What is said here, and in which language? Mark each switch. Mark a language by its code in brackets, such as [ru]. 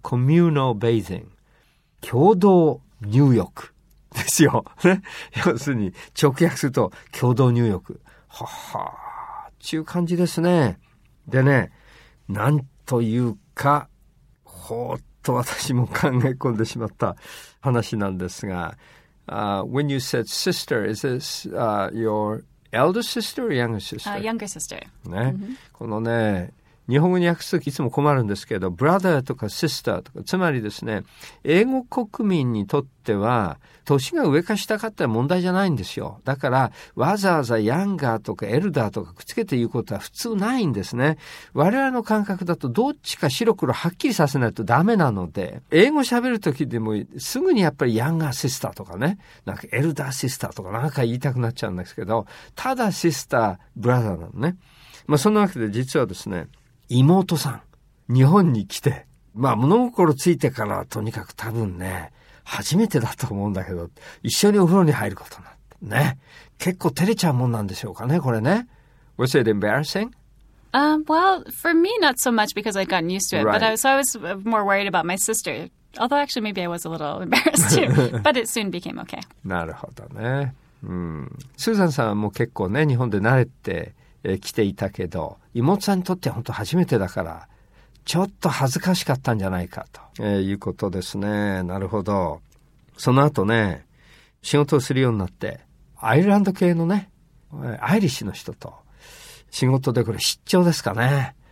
[en] communal bathing。 [ja] 共同入浴。ですよ。ね。要するに、直訳すると、共同入浴。はっはー。ちゅう感じですね。でね、なんというか、ほーっと私も考え込んでしまった話なんですが、 [en] When you said sister, is this, your elder sister or younger sister? Younger sister. [ja] ね。Mm-hmm. このね、日本語に訳すときいつも困るんですけど、brother とか sister とか、つまりですね、英語国民にとっては、年が上か下かって問題じゃないんですよ。だから、わざわざ younger とか elder とかくっつけて言うことは普通ないんですね。我々の感覚だと、どっちか白黒はっきりさせないとダメなので、英語喋るときでも、すぐにやっぱり [en] younger sister [ja] とかね、なんか [en] elder sister [ja] とかなんか言いたくなっちゃうんですけど、ただ sister、brother なのね。まあ、そんなわけで実はですね、妹さん、日本に来て、まあ物心ついてからとにかく多分ね、初めてだと思うんだけど、一緒にお風呂に入ることになってね、結構照れちゃうもんなんでしょうかね、これね。 [en] Was it embarrassing? Well, for me not so much because I'd gotten used to it, right. but I was more worried about my sister Although actually maybe I was a little embarrassed too. But it soon became okay. [ja] なるほどね。スーザンさんはもう結構ね、日本で慣れてきていたけど、妹さんにとって本当初めてだから、ちょっと恥ずかしかったんじゃないかと、いうことですね。なるほど。その後ね、仕事をするようになって、アイルランド系のね、アイリッシュの人と、仕事でこれ出張ですかね。